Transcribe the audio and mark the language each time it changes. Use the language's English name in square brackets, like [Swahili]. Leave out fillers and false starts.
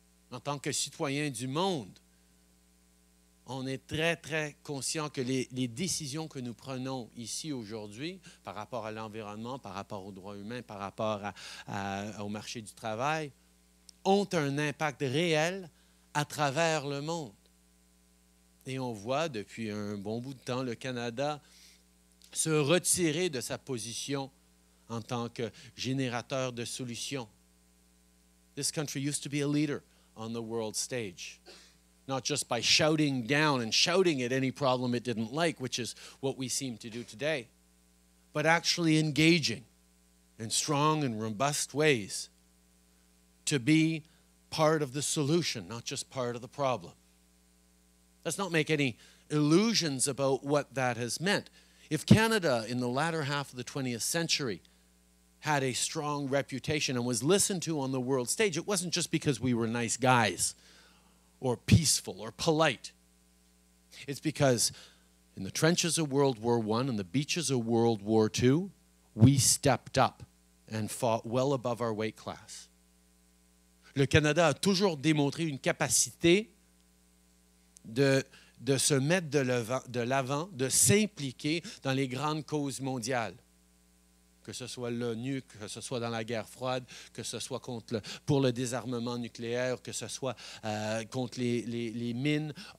[French] En tant que citoyen du monde, on est très, très conscient que les décisions que nous prenons ici aujourd'hui par rapport à l'environnement, par rapport aux droits humains, par rapport au marché du travail, ont un impact réel à travers le monde. Et on voit depuis un bon bout de temps le Canada se retirer de sa position en tant que générateur de solutions. [English] This country used to be a leader on the world stage, not just by shouting down and shouting at any problem it didn't like, which is what we seem to do today, but actually engaging in strong and robust ways to be part of the solution, not just part of the problem. Let's not make any illusions about what that has meant. If Canada, in the latter half of the 20th century, had a strong reputation and was listened to on the world stage, it wasn't just because we were nice guys, or peaceful, or polite. It's because in the trenches of World War I and the beaches of World War II, we stepped up and fought well above our weight class. [French] Le Canada a toujours démontré une capacité de se mettre de l'avant, de s'impliquer dans les grandes causes mondiales, que ce soit l'ONU, que ce soit dans la guerre froide, que ce soit pour le désarmement nucléaire, que ce soit contre les mines.